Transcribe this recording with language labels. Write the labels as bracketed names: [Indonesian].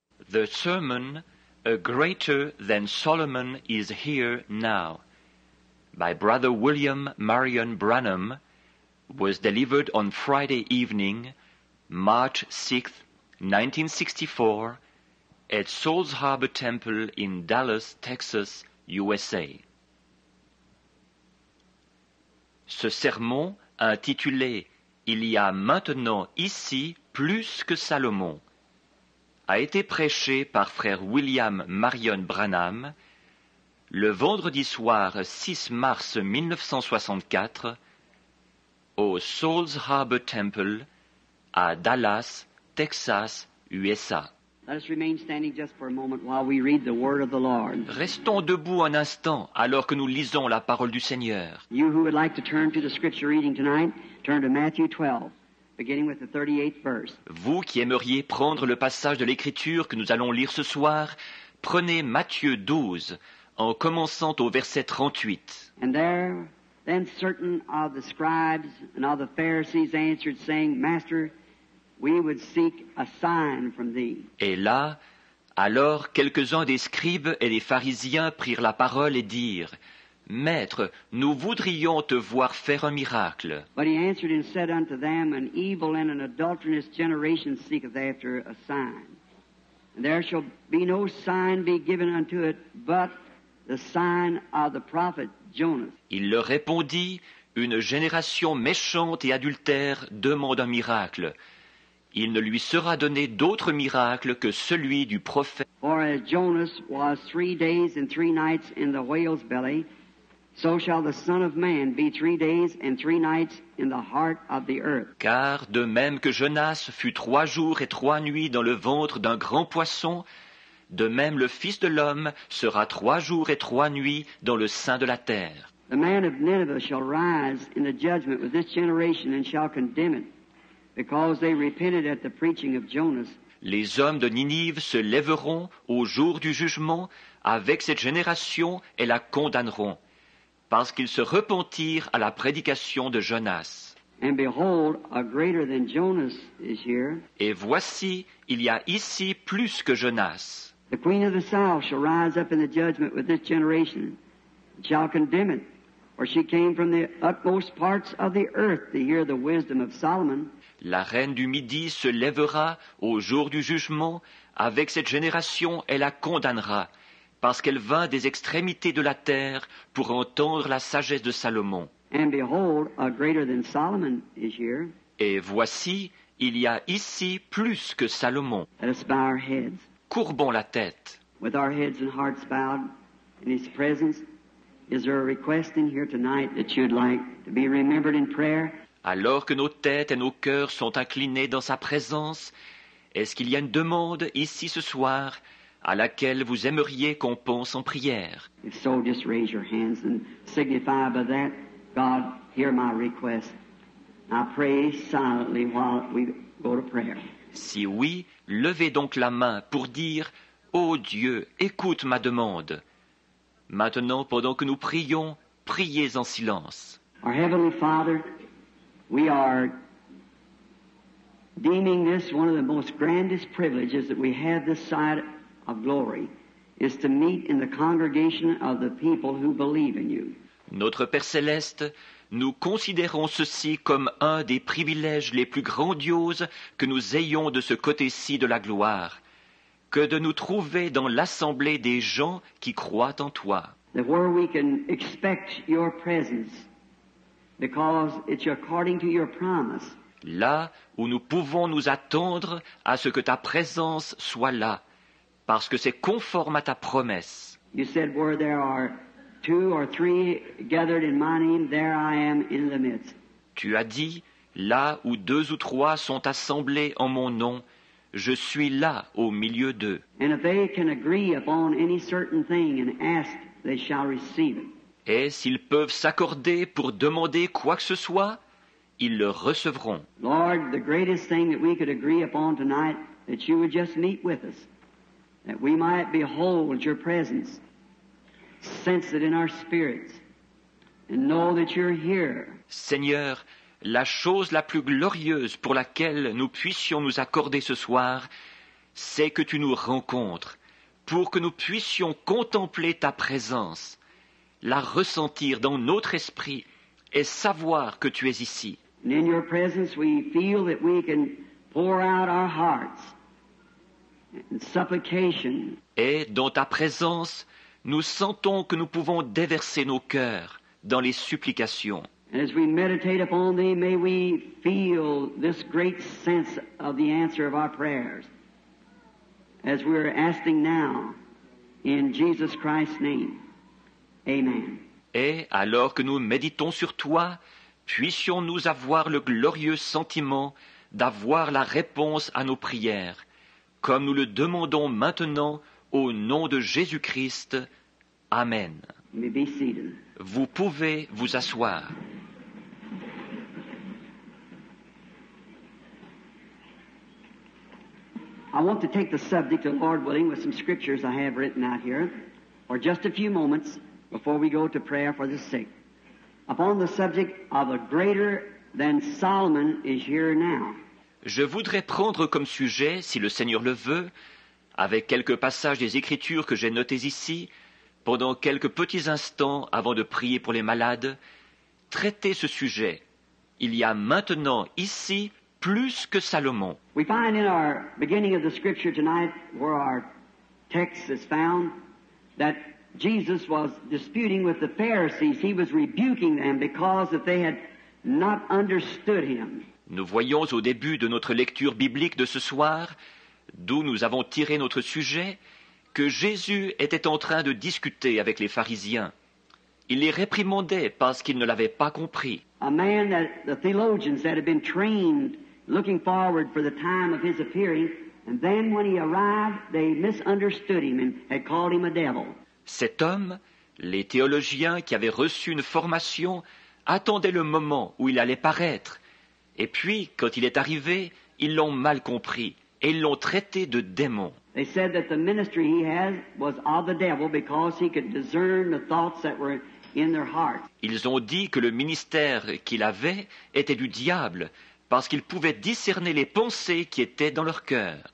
[English] the sermon, A Greater Than Solomon Is Here Now, by Brother William Marion Branham, was delivered on Friday evening, March 6, 1964, at Souls Harbor Temple in Dallas, Texas, USA. [French] Ce sermon, intitulé « Il y a maintenant ici plus que Salomon », a été prêché par frère William Marion Branham le vendredi soir 6 mars 1964 au Souls Harbor Temple à Dallas, Texas, USA. [English] Let us remain standing just for a moment while we read the word of the Lord. [French] Restons debout un instant alors que nous lisons la parole du Seigneur. [English] You who would like to turn to the scripture reading tonight, turn to Matthew 12, beginning with the 38th verse. [French] Vous qui aimeriez prendre le passage de l'écriture que nous allons lire ce soir, prenez Matthieu 12 en commençant au verset 38. [English] And there then certain of the scribes and of the Pharisees answered saying, Master, we would seek a sign from thee. [French] Et là, alors quelques-uns des scribes et des pharisiens prirent la parole et dirent, Maître, nous voudrions te voir faire un miracle. [English] But he answered and said unto them, An evil and an adulterous generation seeketh after a sign. And there shall be no sign be given unto it, but the sign of the prophet Jonas. [French] Il leur répondit, Une génération méchante et adultère demande un miracle. Il ne lui sera donné d'autre miracle que celui du prophète. [English] For as Jonas was 3 days and 3 nights in the whale's belly, so shall the Son of Man be 3 days and 3 nights in the heart of the earth. [French] Car de même que Jonas fut 3 jours et 3 nuits dans le ventre d'un grand poisson, de même le Fils de l'homme sera 3 jours et 3 nuits dans le sein de la terre. [English] The man of Nineveh shall rise in the judgment with this generation and shall condemn it. Because they repented at the preaching of Jonas. [French] Les hommes de Ninive se lèveront au jour du jugement avec cette génération et la condamneront, parce qu'ils se repentirent à la prédication de Jonas. [English] And behold, a greater than Jonas is here. [French] Et voici, il y a ici plus que Jonas. [English] The queen of the south shall rise up in the judgment with this generation, and shall condemn it, for she came from the utmost parts of the earth to hear the wisdom of Solomon. [French] La reine du Midi se lèvera au jour du jugement, avec cette génération elle la condamnera, parce qu'elle vint des extrémités de la terre pour entendre la sagesse de Salomon. [English] And behold, a greater than Solomon is here. [French] Et voici, il y a ici plus que Salomon. [English] Let us bow our heads. [French] Courbons la tête. [English] With our heads and hearts bowed in his presence, is there a request in here tonight that you'd like to be remembered in prayer? [French] Alors que nos têtes et nos cœurs sont inclinés dans sa présence, est-ce qu'il y a une demande ici ce soir à laquelle vous aimeriez qu'on pense en prière? [English] If so, just raise your hands and signify by that, God, hear my request. I pray silently while we go to prayer. [French] Si oui, levez donc la main pour dire, Ô Dieu, écoute ma demande. Maintenant, pendant que nous prions, priez en silence. [English] Our Heavenly Father, we are deeming this one of the most grandest privileges that we have this side of glory is to meet in the congregation of the people who believe in you. [French] Notre Père Céleste, nous considérons ceci comme un des privilèges les plus grandioses que nous ayons de ce côté-ci de la gloire, que de nous trouver dans l'assemblée des gens qui croient en toi. [English] That where we can expect your presence. Because it's according to your promise. [French] Là où nous pouvons nous attendre à ce que ta présence soit là, parce que c'est conforme à ta promesse. [English] You said where there are two or three gathered in my name, there I am in the midst. [French] Tu as dit, là où deux ou trois sont assemblés en mon nom, je suis là au milieu d'eux. [English] And if they can agree upon any certain thing and ask, they shall receive it. [French] Et s'ils peuvent s'accorder pour demander quoi que ce soit, ils le recevront. [English] Lord, the greatest thing that we could agree upon tonight, that you would just meet with us, that we might behold your presence, sense it in our spirits, and know that you're here. [French] Seigneur, la chose la plus glorieuse pour laquelle nous puissions nous accorder ce soir, c'est que tu nous rencontres pour que nous puissions contempler ta présence, la ressentir dans notre esprit et savoir que tu es ici. [English] And in your presence we feel that we can pour out our hearts in supplication. [French] Et dans ta présence, nous sentons que nous pouvons déverser nos cœurs dans les supplications. [English] And as we meditate upon thee, may we feel this great sense of the answer of our prayers as we are asking now in Jesus Christ's name. Amen. [French] Et alors que nous méditons sur toi, puissions-nous avoir le glorieux sentiment d'avoir la réponse à nos prières, comme nous le demandons maintenant au nom de Jésus-Christ. Amen. Vous pouvez vous asseoir. [English] I want to take the subject of Lord willing with some scriptures I have written out here for just a few moments before we go to prayer for the sick. Upon the subject of a greater than Solomon is here now. [French] Je voudrais prendre comme sujet, si le Seigneur le veut, avec quelques passages des Écritures que j'ai notés ici, pendant quelques petits instants avant de prier pour les malades, traiter ce sujet. Il y a maintenant ici plus que Salomon. [English] We find in our beginning of the scripture tonight, where our text is found, that Jesus was disputing with the Pharisees. He was rebuking them because that they had not understood him. [French] Nous voyons au début de notre lecture biblique de ce soir, d'où nous avons tiré notre sujet, que Jésus était en train de discuter avec les pharisiens. Il les réprimandait parce qu'ils ne l'avaient pas compris. [English] A man that the theologians that had been trained looking forward for the time of his appearing, and then when he arrived, they misunderstood him and had called him a devil. [French] Cet homme, les théologiens qui avaient reçu une formation, attendaient le moment où il allait paraître. Et puis, quand il est arrivé, ils l'ont mal compris et ils l'ont traité de démon. [English] They said that the ministry he had was of the devil because he could discern the thoughts that were in their heart. [French] Ils ont dit que le ministère qu'il avait était du diable parce qu'il pouvait discerner les pensées qui étaient dans leur cœur.